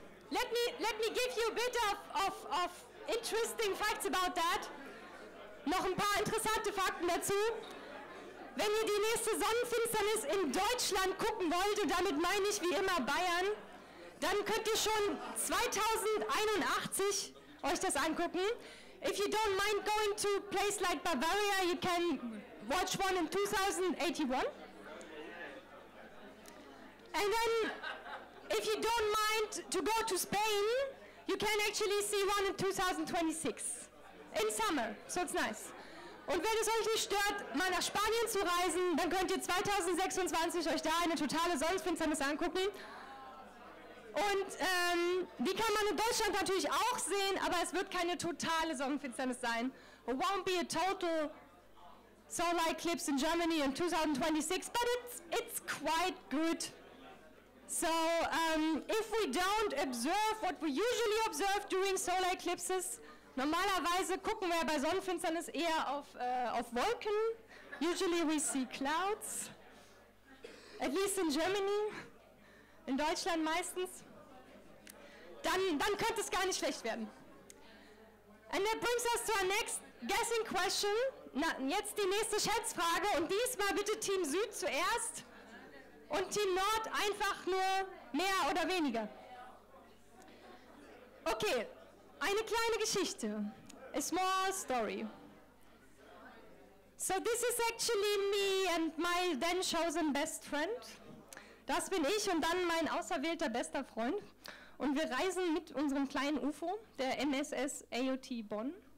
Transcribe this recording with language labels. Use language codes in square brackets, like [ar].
[en] Let me give you a bit of interesting facts about that. [de] Noch ein paar interessante Fakten dazu. Wenn ihr die nächste Sonnenfinsternis in Deutschland gucken wollt, und damit meine ich wie immer Bayern, dann könnt ihr schon 2081 euch das angucken. [en] If you don't mind going to a place like Bavaria, you can watch one in 2081. And then, if you don't mind to go to Spain, you can actually see one in 2026. In summer, so it's nice. [de] Und wenn es euch nicht stört, mal nach Spanien zu reisen, dann könnt ihr 2026 euch da eine totale Sonnenfinsternis angucken. Und die kann man in Deutschland natürlich auch sehen, aber es wird keine totale Sonnenfinsternis sein. [en] It won't be a total solar eclipse in Germany in 2026, but it's quite good. So if we don't observe what we usually observe during solar eclipses, [de] normalerweise gucken wir bei Sonnenfinsternis eher auf Wolken. [en] Usually we see clouds, at least in Germany, [de] in Deutschland meistens. Dann könnte es gar nicht schlecht werden. [en] And that brings us to our next guessing question. [de] Na, jetzt die nächste Schätzfrage, und diesmal bitte Team Süd zuerst und Team Nord einfach nur mehr oder weniger. Okay. Eine kleine Geschichte, [en] a small story. So this is actually me and my then chosen best friend. [de] Das bin ich und dann mein auserwählter bester Freund. Und wir reisen mit unserem kleinen UFO, der MSS AOT Bonn.